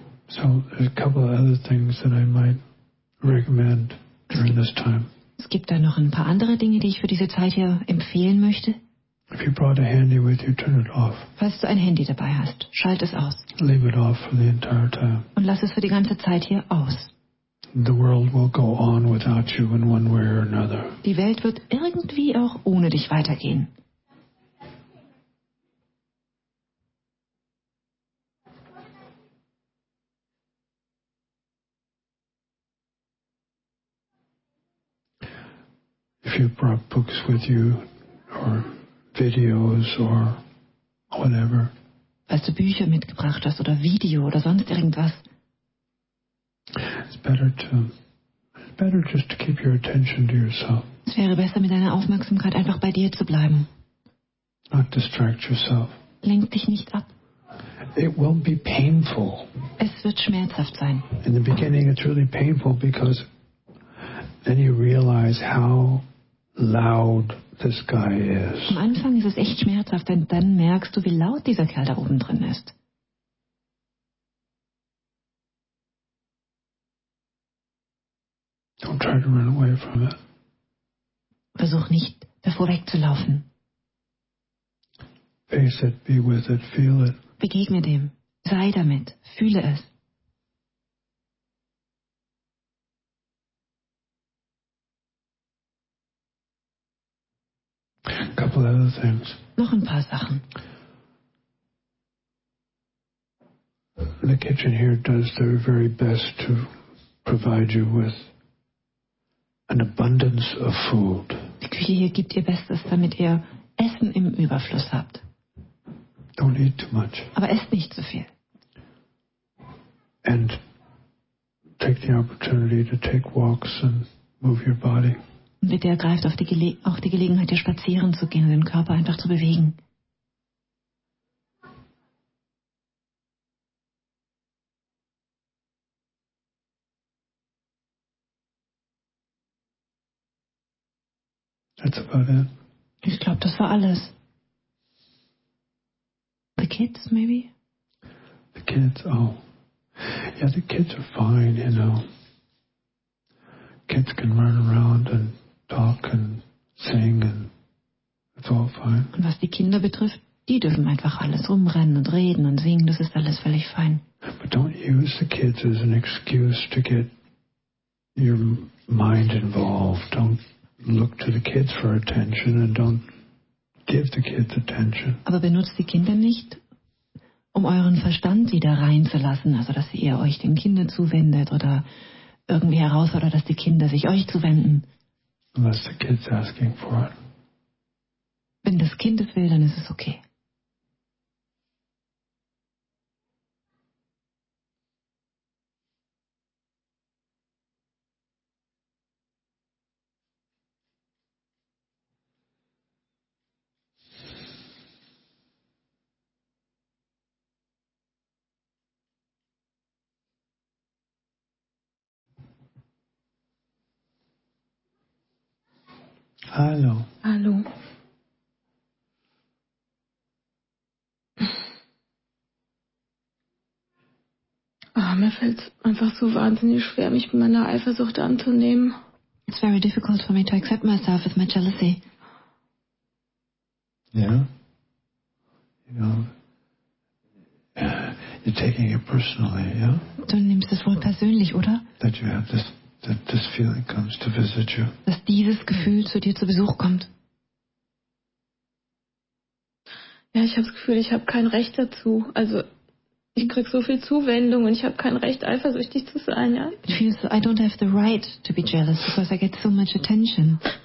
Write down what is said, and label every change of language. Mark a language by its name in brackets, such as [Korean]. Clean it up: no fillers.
[English] So there's a couple of other things that I might recommend during this time. [German] Es gibt da noch ein paar andere Dinge, die ich für diese Zeit hier empfehlen möchte. [English] If you brought a handy with you, turn it off. [German] Falls du ein Handy dabei hast, schalt es aus. [English] Leave it off for the entire time. [German] Und lass es für die ganze Zeit hier aus. [English] The world will go on without you in one way or another. [German] Die Welt wird irgendwie auch ohne dich weitergehen. [English] If you brought books with you, or videos, or whatever. [German] Falls du Bücher mitgebracht hast oder Video oder sonst irgendwas. [English] It's better just to keep your attention to yourself. [German] Es wäre besser, mit deiner Aufmerksamkeit einfach bei dir zu bleiben. [English] Not distract yourself. [German] Lenk dich nicht ab. [English] It will be painful. [German] Es wird schmerzhaft sein. [English] In the beginning, it's really painful because then you realize how loud this guy is. [German] Am Anfang ist es echt schmerzhaft, denn dann merkst du, wie laut dieser Kerl da oben drin ist. [English] Don't try to run away from it. [German] Versuch nicht, davor wegzulaufen. [English] Face it, be with it, feel it. [German] Begegne dem, sei damit, fühle es. [English] Couple other things. [German] Noch ein paar Sachen. [English] The kitchen here does their very best to provide you with an abundance of food. [German] Die Küche hier gibt ihr Bestes, damit ihr Essen im Überfluss habt. [English] Don't eat too much. [German] Aber esst nicht zu viel. [English] And take the opportunity to take walks and move your body. [German] Bitte ergreift auf die Gelegenheit, hier spazieren zu gehen und den Körper einfach zu bewegen. [English] That's about it. [German] Ich glaube, das war alles. [English] The kids, maybe? The kids, oh. Yeah, the kids are fine, you know. Kids can run around and talk and sing and it's all fine. [German] Und was die Kinder betrifft, die dürfen einfach alles rumrennen und reden und singen, das ist alles völlig fein. [English] But don't use the kids as an excuse to get your mind involved. Don't look to the kids for attention and don't give the kids attention. [German] Aber benutzt die Kinder nicht, um euren Verstand wieder reinzulassen, also dass ihr euch den Kindern zuwendet oder irgendwie herausfordert, dass die Kinder sich euch zuwenden. [English] Unless the kids asking for it. [German] Wenn das Kind es will, dann ist es okay. Hallo. Hallo. Oh, mir fällt es einfach so wahnsinnig schwer, mich mit meiner Eifersucht anzunehmen. [English] It's very difficult for me to accept myself with my jealousy. Yeah. You know, you're taking it personally, yeah? [German] Du nimmst es wohl persönlich, oder? [English] That you have this. That this feeling comes to visit you. [German] Dass dieses Gefühl zu dir zu Besuch kommt. Ja, ich habe das Gefühl, ich habe kein Recht dazu. Also, ich kriege so viel Zuwendung und ich habe kein Recht, eifersüchtig zu sein, ja? [English] It feels I don't have the right to be jealous because I get so much attention.